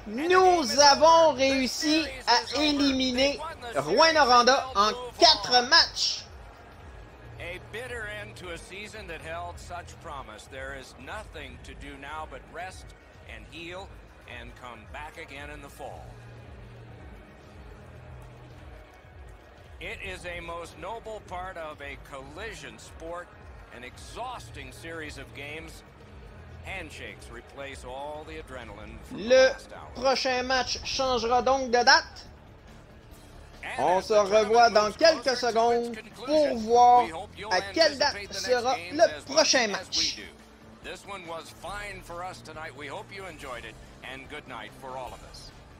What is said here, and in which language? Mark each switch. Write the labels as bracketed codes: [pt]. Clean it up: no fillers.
[fr] Nous avons réussi à éliminer Rouyn Noranda en 4 matchs. [en] A bitter end to a season that held such promise. There is nothing to do now but rest and heal and come back again in the fall. It is a most noble part of a collision sport, an exhausting series of games. Handshakes replace all the adrenaline. [fr] Le prochain match changera donc de date. On se revoit dans quelques secondes pour voir à quelle date sera le prochain match. [en] This one was fine for us tonight. We hope you enjoyed it, and good night for all of us.